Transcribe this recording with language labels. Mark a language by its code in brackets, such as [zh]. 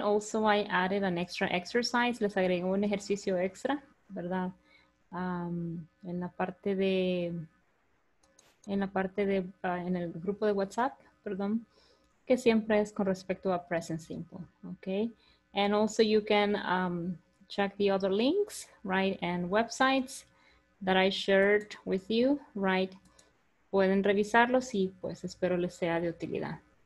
[en] Also, I added an extra exercise. [es] Les agregué un ejercicio extra, ¿verdad? En la parte de en la parte de, en el grupo de WhatsApp, perdón, que siempre es con respecto a present simple, okay? [en] And also you can check the other links, right, and websites that I shared with you, right? [es] Pueden revisarlos y pues espero les sea de utilidad.